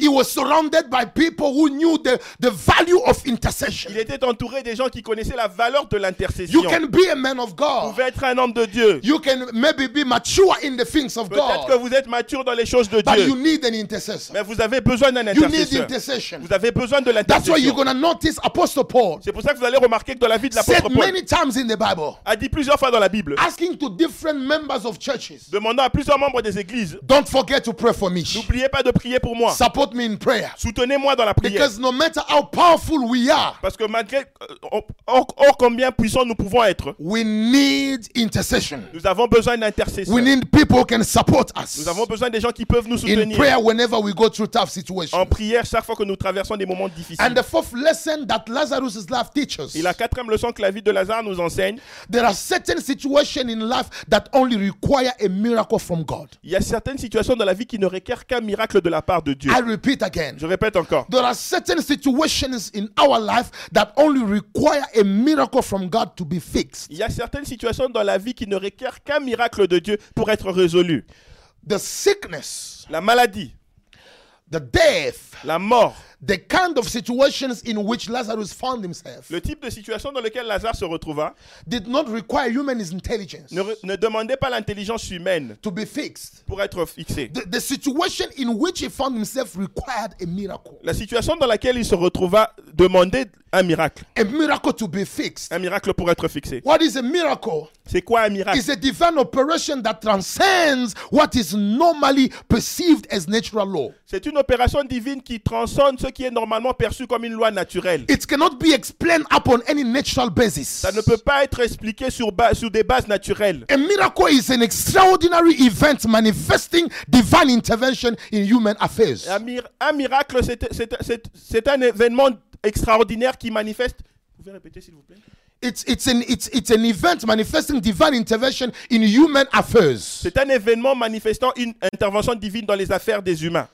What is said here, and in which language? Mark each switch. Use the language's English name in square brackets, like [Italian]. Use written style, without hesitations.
[English] he was surrounded by people who knew the value of intercession. [French] Il était entouré des gens qui connaissaient la valeur de l'intercession. [English] You can be a man of God. [French] Vous pouvez être un homme de Dieu. [English] You can maybe be mature in the things of [French] Peut-être [English] God. [French] Peut-être que vous êtes mature dans les choses de [English] But [French] Dieu. [English] But you need an intercessor. [French] Mais vous avez besoin d'un intercesseur. [English] You need intercession. [French] Vous avez besoin de l'intercession. [English] That's why you're gonna notice Apostle Paul. [French] C'est pour ça que vous allez remarquer que dans la vie de l'apôtre Paul. [English] Said many times in the Bible. [French] A dit plusieurs fois dans la Bible. [English] Asking to different members of churches. [French] Demandant à plusieurs membres des églises. [English] Don't forget to pray for me. [French] N'oubliez pas de prier pour moi. [English] Support me in prayer. [French] Soutenez-moi dans la prière. [English] Because no matter how powerful we are, [French] parce que malgré or combien puissants nous pouvons être, [English] we need intercession. [French] Nous avons besoin d'intercesseurs. [English] We need people who can support us. [French] Nous avons besoin des gens qui peuvent nous soutenir. [English] In prayer, whenever we go through tough situations. [French] En prière, chaque fois que nous traversons des moments difficiles. [English] And the fourth lesson that Lazarus's life teaches. [French] Et la quatrième leçon que la vie de Lazare nous enseigne. [English] There are certain situations in life that only require a miracle from God. [French] Il y a certaines situations dans la vie qui ne requièrent qu'un miracle de la part de Dieu. [English] I repeat again. [French] Je répète encore. [English] There are certain situations in our life that only require a miracle from God to be fixed. [French] Il y a certaines situations dans la vie qui ne requièrent qu'un miracle de Dieu pour être résolues. [English] The sickness, [French] la maladie, [English] the death, [French] la mort, [English] the kind of situations in which Lazarus found himself, [French] le type de situation dans lequel Lazare se retrouva, [English] did not require human intelligence, [French] ne demandait pas l'intelligence humaine, [English] to be fixed, [French] pour être fixé. [English] The situation in which he found himself required a miracle. [French] La situation dans laquelle il se retrouva demandait un miracle. [English] A miracle to be fixed. [French] Un miracle pour être fixé. [English] What is a miracle? [French] C'est quoi un miracle? [English] It's a divine operation that transcends what is normally perceived as natural law. [French] C'est une opération divine qui transcende ce qui est normalement perçu comme une loi naturelle. [English] It cannot be explained upon any natural basis. [French] Ça ne peut pas être expliqué sur des bases naturelles. [English] A miracle is an extraordinary event manifesting divine intervention in human affairs. [French] Un miracle, c'est un événement extraordinaire qui manifeste. Vous pouvez répéter s'il vous plaît? [English] It's an event manifesting divine intervention in human affairs. [French] C'est un événement manifestant une intervention divine dans les affaires des humains.